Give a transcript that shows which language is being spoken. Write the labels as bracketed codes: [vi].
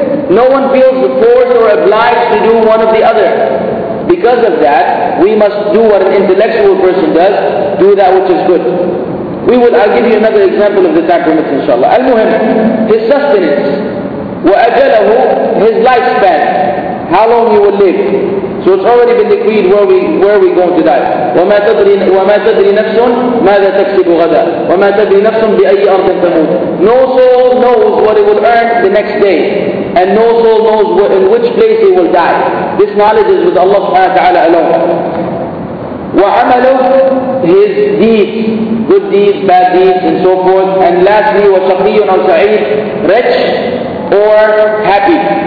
[en] No one feels forced or obliged to do one or the other. Because of that, we must do what an intellectual person does, do that which is good. I'll give you another example of the sacraments, inshallah. Al-Muhim, his sustenance. وأجله, his lifespan, how long he will live. So it's already been decreed where we going to die. [ar] وما تدري نفس ماذا تكسب غدا وما تدري نفس بأي أرض تموت. [en] No soul knows what he will earn the next day, and no soul knows in which place he will die. This knowledge is with Allah subhanahu wa ta'ala alone. وعمله, his deeds, good deeds, bad deeds, and so forth. And lastly, [ar] وشقي أو سعيد, [en] rich or happy.